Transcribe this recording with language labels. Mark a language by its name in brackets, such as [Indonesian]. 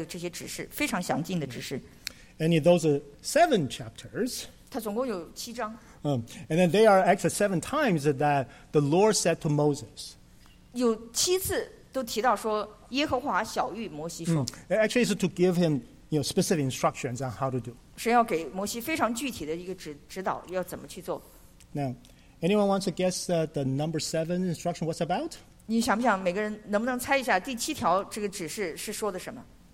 [Chinese] 你在出埃及记的25到31章，你会看到神的这些指示，非常详尽的指示。 [English] And in those seven chapters. [Chinese] 它总共有七章。 [English] And then they are actually seven times that the Lord said to Moses. [Chinese] 有七次都提到说耶和华晓谕摩西说。 [English] Actually, it's to give him, you know, specific instructions on how to do. [Chinese] 神要给摩西非常具体的一个指导，要怎么去做。 [English] Now. Anyone wants to guess the number seven instruction? What's about? [Chinese] 你想不想每个人能不能猜一下第七条这个指示是说的什么？